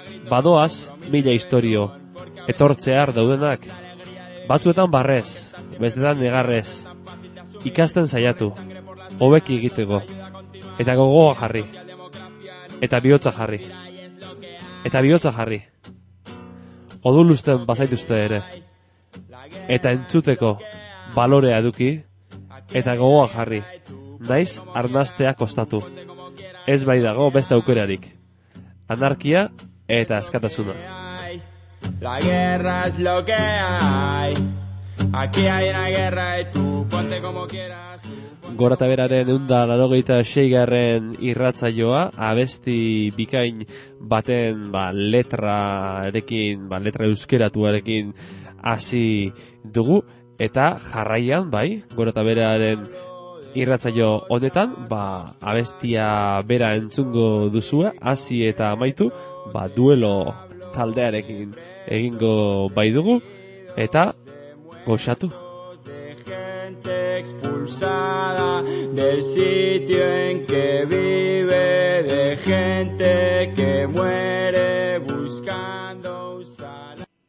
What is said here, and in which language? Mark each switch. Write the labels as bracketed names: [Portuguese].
[Basque] Badoaz mila historio, etortzear daudenak, batzuetan barrez, bestetan negarrez, ikasten saiatu, hobeki egiteko, eta gogoa jarri, eta bihotza jarri, eta bihotza jarri, odulusten bazaituzte ere, eta entzuteko balorea eduki, eta gogoa jarri, naiz arnastea kostatu. Ez bai dago beste aukerarik. Anarkia eta askatasuna. [Spanish] La guerra es lo que hay. Aquí hay una guerra y tú ponte como quieras. [Basque] Gorataberaren 186. irratzaioa abesti bikain baten letra euskeratuarekin hasi dugu eta jarraian bai gorataberaren irratzaio honetan, abestia bera entzungo duzue, hasi eta amaitu, duelo taldearekin egingo bai dugu, eta goxatu. [Spanish] De gente expulsada del sitio en que vive, de gente que muere buscando usar.